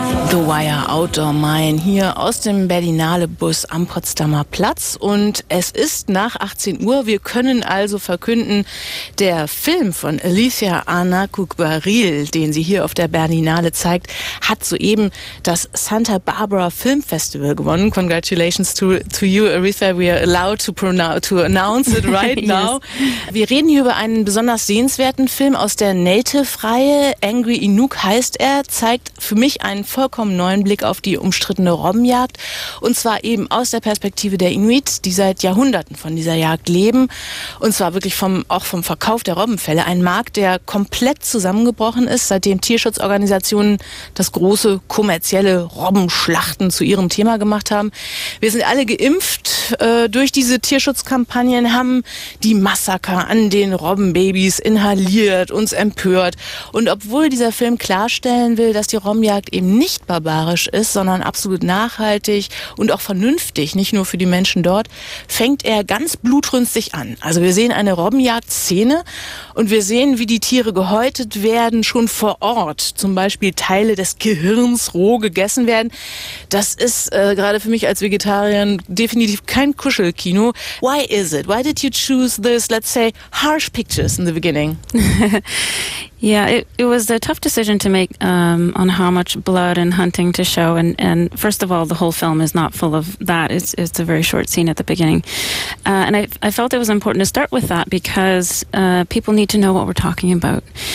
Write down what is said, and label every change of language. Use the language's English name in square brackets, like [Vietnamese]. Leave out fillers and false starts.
[German] The Wire Outdoor Mine hier aus dem Berlinale Bus am Potsdamer Platz. Und es ist nach 18 Uhr. Wir können also verkünden, der Film von Alicia Anacucbaril, den sie hier auf der Berlinale zeigt, hat soeben das Santa Barbara Film Festival gewonnen. [English] Congratulations to you, Aretha. We are allowed to announce it right now. Yes. [German] Wir reden hier über einen besonders sehenswerten Film aus der Native-Reihe. Angry Inuk heißt er, zeigt für mich einen vollkommen neuen Blick auf die umstrittene Robbenjagd, und zwar eben aus der Perspektive der Inuit, die seit Jahrhunderten von dieser Jagd leben, und zwar wirklich vom Verkauf der Robbenfelle, ein Markt, der komplett zusammengebrochen ist, seitdem Tierschutzorganisationen das große kommerzielle Robbenschlachten zu ihrem Thema gemacht haben. Wir sind alle geimpft durch diese Tierschutzkampagnen, haben die Massaker an den Robbenbabys inhaliert, uns empört, und obwohl dieser Film klarstellen will, dass die Robbenjagd eben nicht barbarisch ist, sondern absolut nachhaltig und auch vernünftig, nicht nur für die Menschen dort, fängt er ganz blutrünstig an. Also wir sehen eine Robbenjagdszene und wir sehen, wie die Tiere gehäutet werden, schon vor Ort, zum Beispiel Teile des Gehirns roh gegessen werden. Das ist gerade für mich als Vegetarierin definitiv kein Kuschelkino. [English] Why is it? Why did you choose this, let's say, harsh pictures in the beginning? Yeah, it was a tough decision to make on how much blood and hunting to show. And first of all, the whole film is not full of that. It's a very short scene at the beginning. And I felt it was important to start with that because people need to know what we're talking about.